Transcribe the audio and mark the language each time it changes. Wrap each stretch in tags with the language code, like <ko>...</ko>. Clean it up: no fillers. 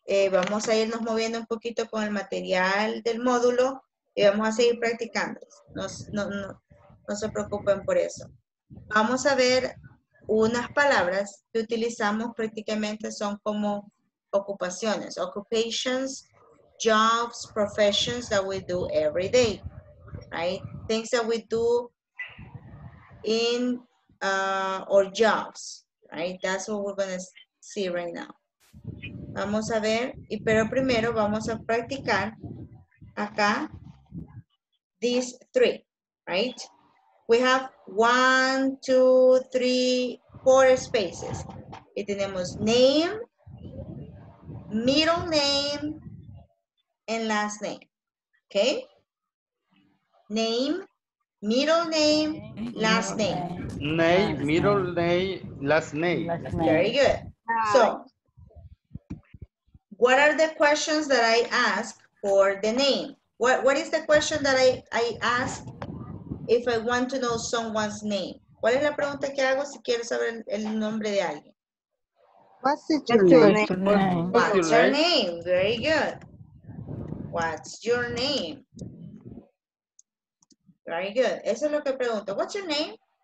<es>Vamos a irnos moviendo un poquito con el material del módulo y vamos a seguir practicando. No se preocupen por eso. Vamos a ver unas palabras que utilizamos prácticamente son como ocupaciones.</es> <en>Occupations. Jobs, professions that we do every day, right? Things that we do in our jobs, right? That's what we're gonna see right now.</en> <es>Vamos a ver, pero primero vamos a practicar acá</es> <en>these three, right? We have 1, 2, 3, 4 spaces.</en> <es>Y tenemos</es> <en>name, middle name, and last name, okay? Name, middle name, last name. Name, middle name, last name. Very good. So, what are the questions that I ask for the name? What is the question that I ask if I want to know someone's name?</en> <es>¿Cuál es la pregunta que hago si quiero saber el nombre de alguien?</es> <en>What's your name? What's your name? Very good. What's your name? Very good.</en> <es>Eso es lo que pregunto.</es> <en>What's your name?</en>